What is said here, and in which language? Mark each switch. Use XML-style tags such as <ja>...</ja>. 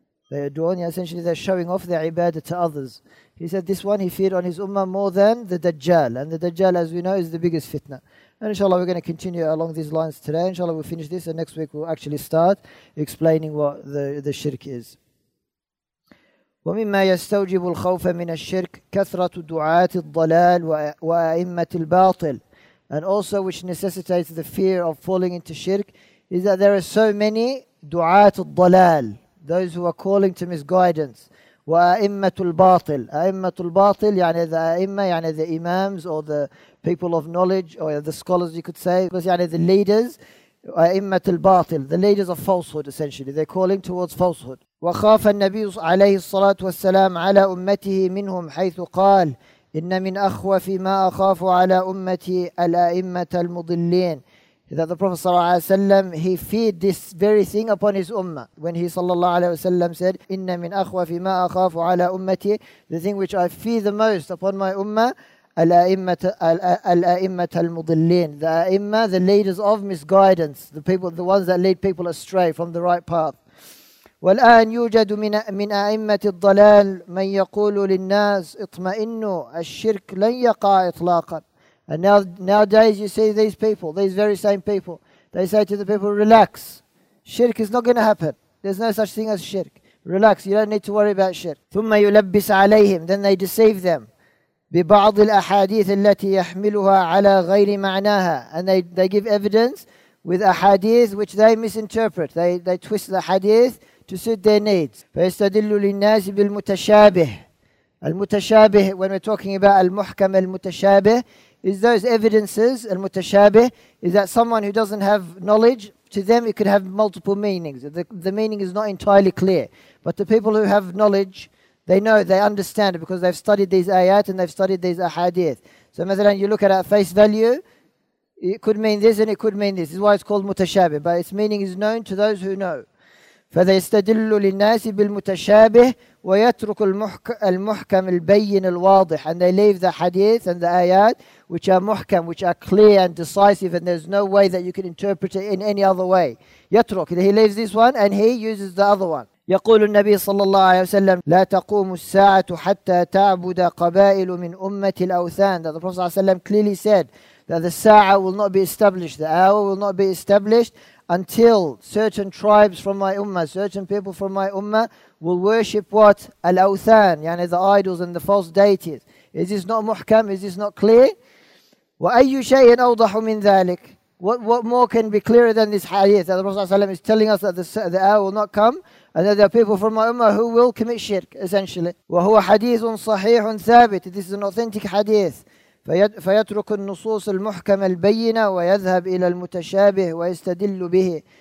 <en>They adorn, essentially they're showing off their ibadah to others. He said this one he feared on his ummah more than the Dajjal. And the Dajjal, as we know, is the biggest fitna. And inshallah, we're going to continue along these lines today. Inshallah, we'll finish this and next week we'll actually start explaining what the shirk is.</en> <ar>ومما يستوجب الخوف من الشرك كثرة دعاة الضلال وأئمة الباطل.</ar> <en>And also which necessitates the fear of falling into shirk is that there are so many</en> <ar>دعاة الضلال,</ar> <en>those who are calling to misguidance.</en> <ar>وأئمة الباطل, أئمة الباطل</ar> <en>the أئمة the imams or the people of knowledge or the scholars you could say, because the leaders,</en> <ar>أئمة الباطل,</ar> <en>the leaders of falsehood essentially, they're calling towards falsehood.</en> <ar>وخاف النبي عليه الصلاة والسلام على أمته منهم حيث قال إن من أخوف ما أخاف على أمتي الأئمة المضلين.</ar> <en>That the Prophet صلى الله عليه وسلم, he feared this very thing upon his ummah when he صلى الله عليه وسلم said</en> <ar>إن من أخوف ما أخاف على أمتي,</ar> <en>the thing which I fear the most upon my ummah,</en> <ar>الأئمة المضلين,</ar> <en>the أئمة, the leaders of misguidance, the people, the ones that lead people astray from the right path.</en> <ar>والآن يوجد من أئمة الضلال من يقول للناس اطمئنوا الشرك لن يقع إطلاقا.</ar> <en>And nowadays you see these people, these very same people, they say to the people, relax, shirk is not going to happen, there's no such thing as shirk, relax, you don't need to worry about shirk.</en> <ar>ثم يلبس عليهم,</ar> <en>then they deceive them</en> <ar>ببعض الأحاديث التي يحملها على غير معناها.</ar> <en>And they give evidence with ahadith which they misinterpret, they twist the hadith to suit their needs.</en> <ar>فَيَسْتَدِلُّ لِلنَّاسِ بِالْمُتَشَابِهِ.</ar> <en>المتشابه, when we're talking about</en> <ar>المحكم المتشابه,</ar> <en>is those evidences, المتشابه, is that someone who doesn't have knowledge, to them it could have multiple meanings. The meaning is not entirely clear. But the people who have knowledge, they know, they understand it because they've studied these ayat and they've studied these ahadith. So مثلاً, you look at it at face value, it could mean this and it could mean this. This is why it's called متشابه. But its meaning is known to those who know.</en> <ar>فيستدل للناس بالمتشابه ويترك المحكم البين الواضح.</ar> <en>And they leave the hadith and the ayat which are muhkam, which are clear and decisive, and there's no way that you can interpret it in any other way. يترك, he leaves this one and he uses the other one.</en> <ar>يقول النبي صلى الله عليه وسلم لا تقوم الساعة حتى تعبد قبائل من أمة الأوثان.</ar> <en>That the Prophet صلى الله عليه وسلم clearly said that the sa'a will not be established, the hour will not be established until certain tribes from my ummah, certain people from my ummah will worship what? Al-awthan, the idols and the false deities. Is this not muhkam? Is this not clear?</en> <ar>وَأَيُّ شَيْءٍ أَوْضَحُ مِنْ ذَلِكَ.</ar> <en>What more can be clearer than this hadith? That the Prophet ﷺ is telling us that the hour will not come and that there are people from my ummah who will commit shirk, essentially.</en> <ar>وَهُوَ حَدِيثٌ صَحِيحٌ ثَابِتٌ.</ar> <en>This is an authentic hadith.</en> <ar>فيترك النصوص المحكمة البينة ويذهب إلى المتشابه ويستدل به.</ar>